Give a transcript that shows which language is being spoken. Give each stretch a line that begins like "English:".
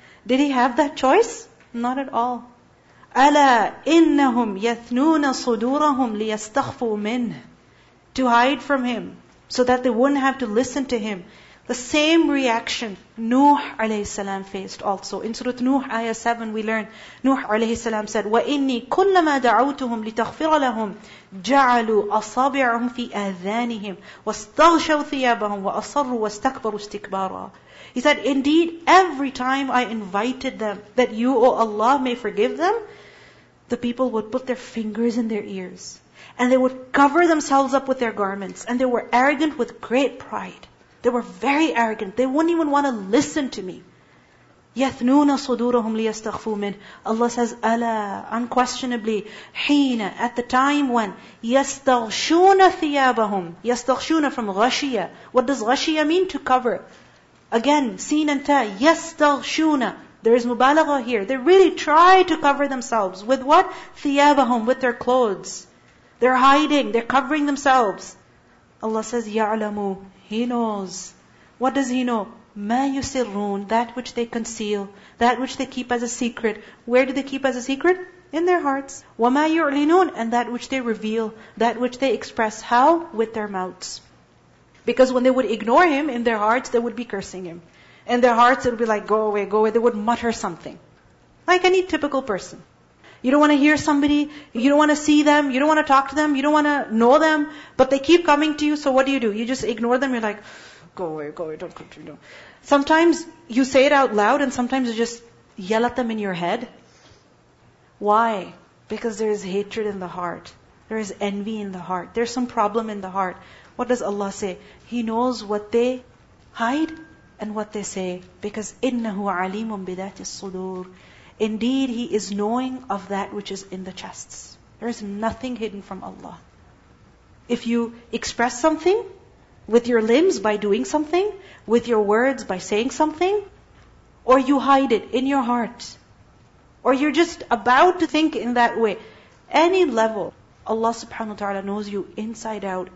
English: Did he have that choice? Not at all.
Arabic: أَلَا إِنَّهُمْ يَثْنُونَ صُدُورَهُمْ لِيَسْتَخْفُوا مِنْهُ.
English: To hide from him, so that they wouldn't have to listen to him. The same reaction Nuh alayhi salam faced also. In Surah Nuh ayah 7 we learn, Nuh alayhi salam said,
Arabic: وَإِنِّي كُلَّمَا دَعَوْتُهُمْ لِتَغْفِرَ لَهُمْ جَعَلُوا أَصَابِعَهُمْ فِي أَذَانِهِمْ وَاسْتَغْشَوْا ثِيَابَهُمْ وَأَصَرُّوا وَاسْتَكْبَرُوا اسْتِكْبَارًا.
English: He said, indeed, every time I invited them that you, O Allah, may forgive them, the people would put their fingers in their ears and they would cover themselves up with their garments and they were arrogant with great pride. They were very arrogant. They wouldn't even want to listen to me.
Arabic: يَثْنُونَ صُدُورَهُمْ لِيَسْتَخْفُوا مِنْ.
English: Allah says, أَلَا, unquestionably, حِينَ, at the time when,
Arabic: يَسْتَغْشُونَ ثِيَابَهُمْ. يَسْتَغْشُونَ from غَشِيَ.
English: What does غَشِيَ mean? To cover.
Arabic: Again, سِينَ أَنْتَ, يَسْتَغْشُونَ.
English: There is مُبَالَغَ here. They really try to cover themselves. With what? ثِيَابَهُمْ, with their clothes. They're hiding, they're covering themselves. Allah says, يَعْلَمُوا. He knows. What does he know?
Arabic: مَا يُسِرُّونَ,
English: that which they conceal, that which they keep as a secret. Where do they keep as a secret? In their hearts.
Arabic: وَمَا يُعْلِنُونَ,
English: and that which they reveal, that which they express. How? With their mouths. Because when they would ignore him, in their hearts, they would be cursing him. In their hearts, it would be like, go away, go away. They would mutter something. Like any typical person. You don't want to hear somebody, you don't want to see them, you don't want to talk to them, you don't want to know them, but they keep coming to you, so what do? You just ignore them, you're like, go away, don't come to me. Sometimes you say it out loud and sometimes you just yell at them in your head. Why? Because there is hatred in the heart. There is envy in the heart. There's some problem in the heart. What does Allah say? He knows what they hide and what they say.
Arabic: Because إِنَّهُ عَلِيمٌ بِذَاتِ الصُّدُورِ.
English: Indeed, he is knowing of that which is in the chests. There is nothing hidden from Allah. If you express something with your limbs by doing something, with your words by saying something, or you hide it in your heart, or you're just about to think in that way, any level, Allah subhanahu wa ta'ala knows you inside out.